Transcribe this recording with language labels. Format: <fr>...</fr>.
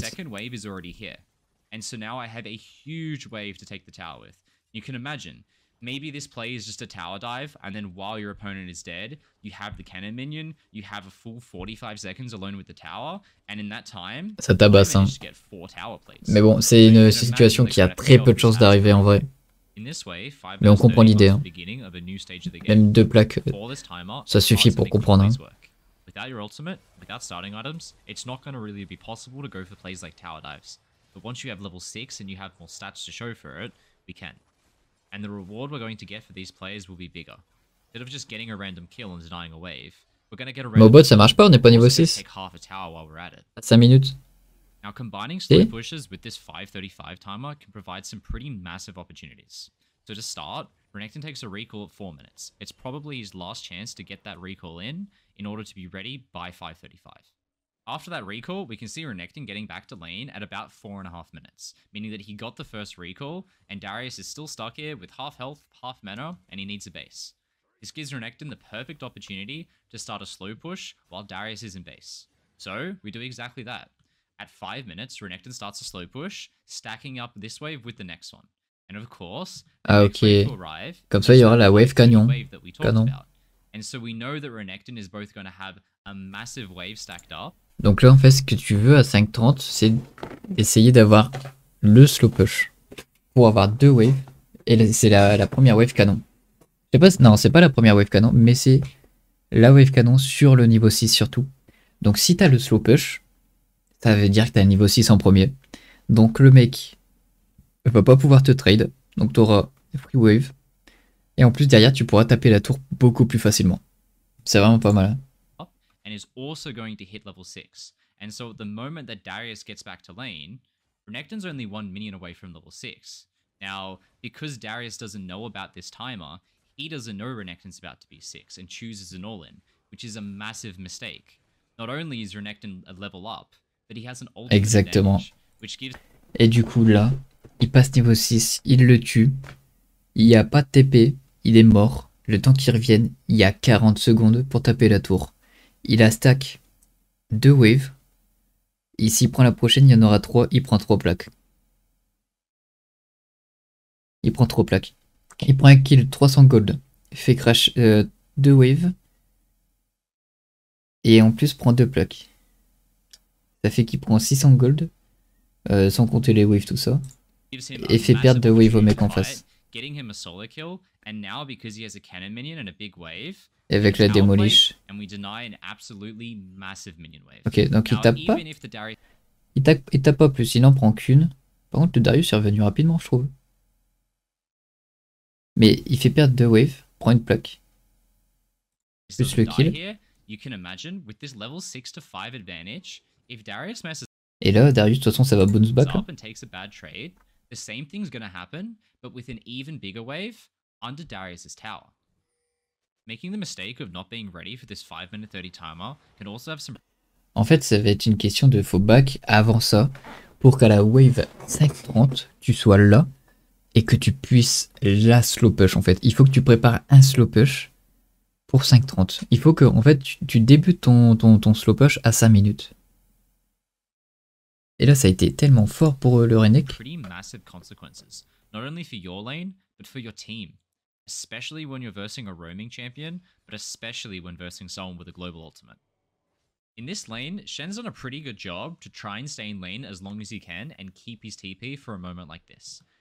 <en>The second wave is already here. And so now I have a huge wave to take the tower with. You can imagine, maybe this play is just a tower dive, and then while your opponent is dead, you have the cannon minion, you have a full 45 seconds alone with the tower, and in that time,</en> <fr>ça tabasse, hein. Mais bon, c'est une situation qui a très peu de chances d'arriver en vrai. Mais on comprend l'idée, hein. Même deux plaques, ça suffit pour comprendre.</fr> <en>Without your ultimate, without starting items, it's not going to really be possible to go for plays like tower dives. But once you have level 6 and you have more stats to show for it, we can. And the reward we're going to get for these players will be bigger. Instead of just getting a random kill and denying a wave,</en> <fr>Mais au bot, ça marche pas, on n'est pas niveau 6.</fr> <en>5 minutes. Now combining sleep bushes with this 5:35 timer can provide some pretty massive opportunities. So to start, Renekton takes a recall at 4 minutes. It's probably his last chance to get that recall in order to be ready by 5:35. After that recall, we can see Renekton getting back to lane at about 4.5 minutes, meaning that he got the first recall, and Darius is still stuck here with half health, half mana, and he needs a base. This gives Renekton the perfect opportunity to start a slow push while Darius is in base. So, we do exactly that. At 5 minutes, Renekton starts a slow push, stacking up this wave with the next one. And of course,</en> <fr>comme ça, il y aura la wave canyon.</fr> <en>And so we know that Renekton is both going to have a massive wave stacked up.</en> <fr>Donc là, en fait, ce que tu veux à 5:30, c'est essayer d'avoir le slow push pour avoir deux waves. Et c'est la première wave canon. Je sais pas, non, c'est pas la première wave canon, mais c'est la wave canon sur le niveau 6 surtout. Donc si t'as le slow push, ça veut dire que t'as le niveau 6 en premier. Donc le mec ne va pas pouvoir te trade. Donc t'auras free wave. Et en plus, derrière, tu pourras taper la tour beaucoup plus facilement. C'est vraiment pas mal. Hein.</fr> <en>And is also going to hit level 6. And so at the moment that Darius gets back to lane, Renekton's only one minion away from level 6. Now, because Darius doesn't know about this timer, he doesn't know Renekton's about to be 6 and chooses an all-in, which is a massive mistake. Not only is Renekton a level up, but he has an ultimate</en> <fr>exactement.</fr> <en>Damage, which gives...</en> <fr>Et du coup là, il passe niveau 6, il le tue, il n'y a pas de TP, il est mort. Le temps qu'il revienne, il y a 40 secondes pour taper la tour. Il a stack 2 waves. Et s'il prend la prochaine, il y en aura 3. Il prend 3 plaques. Il prend un kill 300 gold. Fait crash 2 waves. Et en plus, prend 2 plaques. Ça fait qu'il prend 600 gold. Sans compter les waves, tout ça. Et fait perdre 2 waves au mec en face.</fr> <en>Getting him a solo kill, and now because he has a cannon minion and a big wave,</en> <fr>avec la démolish,</fr> <en>and we deny an absolutely massive minion wave.</en> <fr>Ok, donc il tape pas. Il tape pas plus, il en prend qu'une. Par contre, le Darius est revenu rapidement, je trouve. Mais il fait perdre deux waves, prend une plaque. Plus le kill.</fr> <en>You can imagine with this level 6 to 5 advantage, if Darius messes.</en> <fr>Et là, Darius, de toute façon, ça va bounce back.</fr> <en>And takes a bad trade. The same thing's gonna happen, but with an even bigger wave under Darius's tower. Making the mistake of not being ready for this 5-minute 30 timer can also have some.</en> <fr>En fait, ça va être une question de faux back avant ça, pour qu'à la wave 5:30, tu sois là et que tu puisses la slow push. En fait, il faut que tu prépares un slow push pour 5:30. Il faut que, en fait, tu débutes ton slow push à 5 minutes. Et là, ça a été tellement fort pour le Renek.</fr> <en>Pretty massive consequences, not only for your lane, but for your team. Especially when you're versing a roaming champion, but especially when versing someone with a global ultimate. In this lane, Shen's done a pretty good job to try and stay in lane as long as he can and keep his TP for a moment like this.</en>